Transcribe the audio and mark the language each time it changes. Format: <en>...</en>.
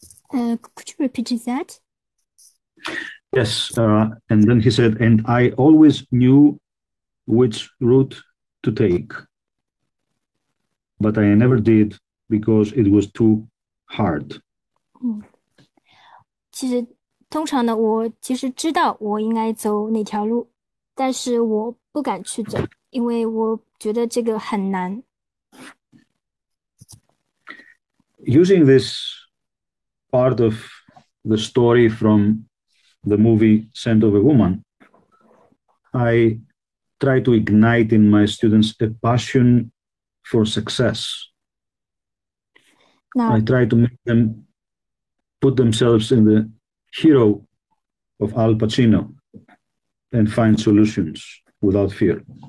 <en>Could you repeat that? Yes, and then he said, and I always knew which route to take, but I never did because it was too hard.</en> <zh>其实通常呢，我其实知道我应该走哪条路，但是我不敢去走，因为我觉得这个很难。</zh> <en>Using this part of the story from the movie Scent of a Woman, I try to ignite in my students a passion for success. I try to make them put themselves in the hero of Al Pacino and find solutions without fear.</en>